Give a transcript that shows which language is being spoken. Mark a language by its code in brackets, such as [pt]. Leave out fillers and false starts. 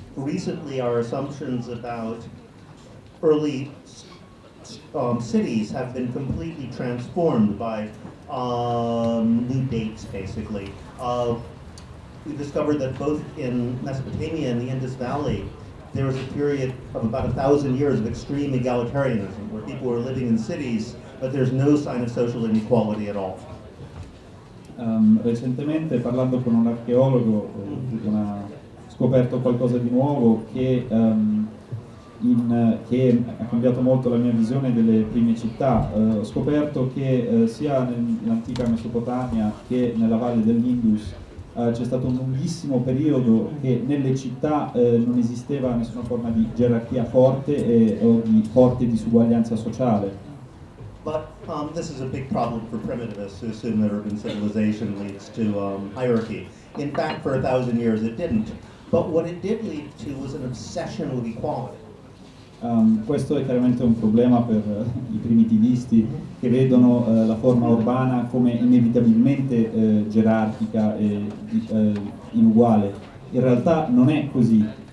[en] Recently, our assumptions about early cities have been completely transformed by new dates, basically. We discovered that both in Mesopotamia and the Indus Valley, there was a period of about 1,000 years of extreme egalitarianism, where people were living in cities, but there's no sign of social inequality at all. [it] Recentemente, parlando con un archeologo, ho scoperto qualcosa di nuovo che ha cambiato molto la mia visione delle prime città. Ho scoperto che sia nell'antica Mesopotamia che nella valle dell'Indus c'è stato un lunghissimo periodo che nelle città non esisteva nessuna forma di gerarchia forte o di forte disuguaglianza sociale. [en] But this is a big problem for primitivists who assume that urban civilization leads to hierarchy. In fact, for 1,000 years it didn't. But what it did lead to was an obsession with equality. [it] Questo è chiaramente un problema per i primitivisti che vedono la forma urbana come inevitabilmente gerarchica e inuguale. In realtà non è così.